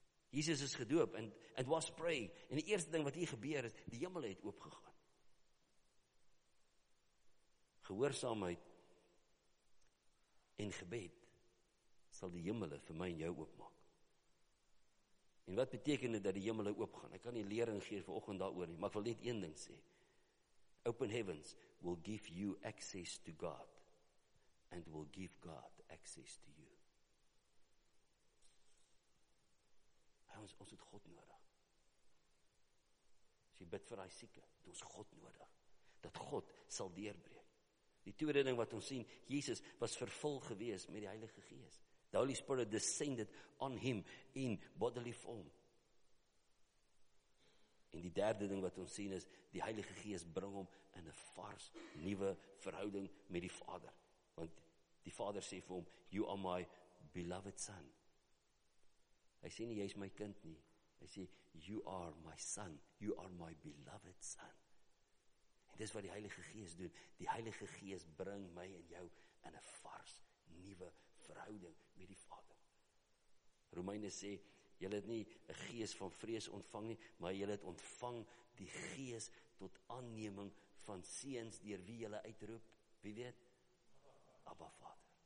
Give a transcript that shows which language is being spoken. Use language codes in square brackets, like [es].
[af] Jesus is gedoop en [en] it was pray. [af] En die eerste ding wat hier gebeur is, die hemel het oopgegaan. Gehoorsaamheid en gebed sal die hemele vir my en jou oopmaak. En wat beteken dit dat die hemele oopgaan? Ek kan nie lering gee vanoggend daaroor nie, maar ek wil net een ding sê. [en] Open heavens will give you access to God and will give God access to you. [af] Ons het God nodig. As jy bid vir daai sieke, het ons God nodig. Dat God sal deurbreek. Die tweede ding wat ons sien, Jesus was vervul gewees met die Heilige Gees. [en] The Holy Spirit descended on him in bodily form. [af] En die derde ding wat ons sien is, die Heilige Gees bring hom in 'n vars, nuwe verhouding met die Vader. Want die Vader sê vir hom, [en] you are my beloved son. [af] Hy sê nie, jy is my kind nie. Hy sê, [en] you are my son, you are my beloved son. [af] En dis wat die Heilige Gees doen. Die Heilige Gees bring my en jou in 'n vars, nuwe verhouding met die Vader. Romeine sê, julle het nie 'n gees van vrees ontvang nie, maar julle het ontvang die gees tot aanneming van seuns deur wie julle uitroep, wie weet? Abba Vader.